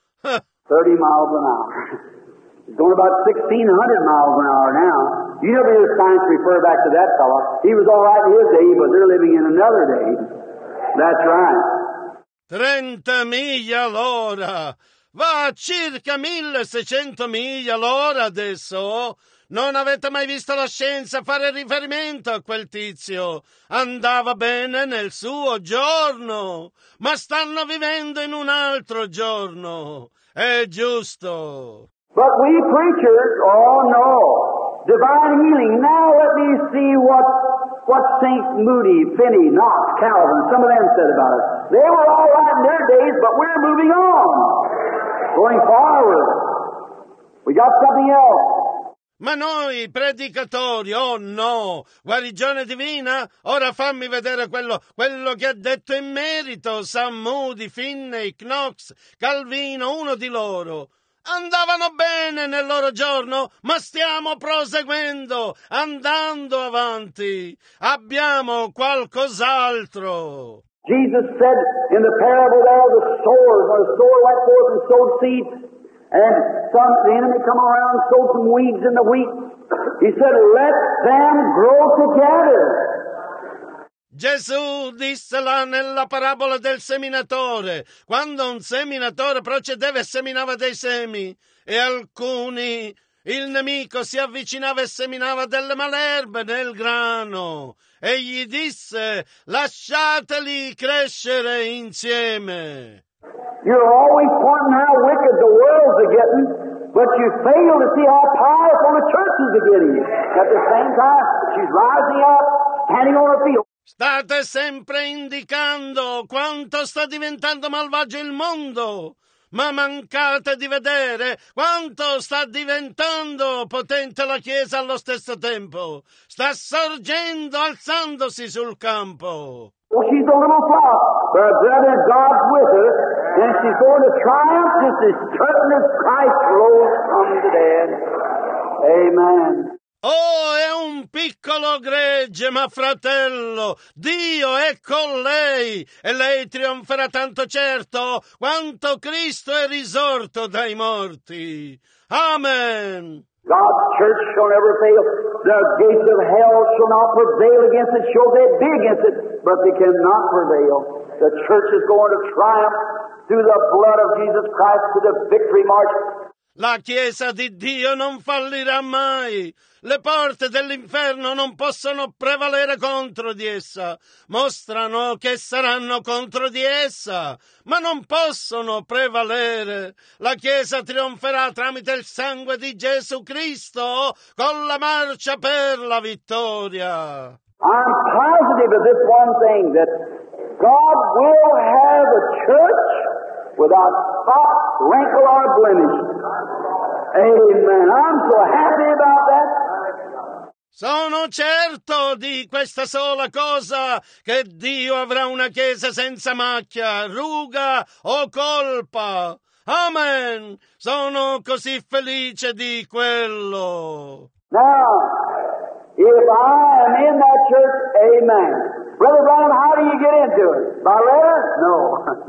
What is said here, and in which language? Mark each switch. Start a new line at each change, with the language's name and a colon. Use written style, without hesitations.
English: 30 miles an hour. It's going about 1,600 miles an hour now. You never hear science refer back to that fellow. He was all right in his day, but they're living in another day. That's right.
Italian: 30 miglia l'ora. Va a circa 1,600 miglia l'ora adesso. Non avete mai visto la scienza fare riferimento a quel tizio. Andava bene nel suo giorno, ma stanno vivendo in un altro giorno. È giusto.
English: But we preachers, oh no, divine healing. Now let me see what St. Moody, Finney, Knox, Calvin, some of them said about us. They were all right in their days, but we're moving on, going forward. We got something else.
Italian: Ma noi, predicatori, oh no, guarigione divina, ora fammi vedere quello che ha detto in merito St. Moody, Finney, Knox, Calvino, uno di loro. Andavano bene nel loro giorno, ma stiamo proseguendo, andando avanti. Abbiamo qualcos'altro.
English: Jesus said in the parable there of the sower, where the sower went forth and sowed seeds, and some the enemy come around and sowed some weeds in the wheat. He said, let them grow together.
Italian: Gesù disse là nella parabola del seminatore, quando un seminatore procedeva e seminava dei semi, e alcuni, il nemico si avvicinava e seminava delle malerbe nel grano, e gli disse, lasciateli crescere insieme.
English: You're always pointing how wicked the world's getting, but you fail to see how powerful the church is getting. At the same time, she's rising up, standing on her feet.
Italian: State sempre indicando quanto sta diventando malvagio il mondo, ma mancate di vedere quanto sta diventando potente la Chiesa allo stesso tempo. Sta sorgendo, alzandosi sul campo.
English: Well, she's a little flock, but brother God's with her, and she's going to triumph as the curtain of Christ rolls from the dead. Amen.
Italian: Oh, è un piccolo gregge, ma fratello, Dio è con lei e lei trionferà tanto certo quanto Cristo è risorto dai morti. Amen.
English: God's church shall never fail. The gates of hell shall not prevail against it. Shall they be against it, but they cannot prevail. The church is going to triumph through the blood of Jesus Christ to the victory march.
Italian: La Chiesa di Dio non fallirà mai. Le porte dell'inferno non possono prevalere contro di essa. Mostrano che saranno contro di essa, ma non possono prevalere. La Chiesa trionferà tramite il sangue di Gesù Cristo con la marcia per la vittoria.
English: I'm positive of this one thing, that God will have a church without spot, wrinkle or blemish. Amen. I'm so happy about that.
Italian: Sono certo di questa sola cosa, che Dio avrà una chiesa senza macchia, ruga o colpa. Amen. Sono così felice di quello.
English: Now, if I am in that church, amen. Brother Brown, how do you get into it? By letter? No.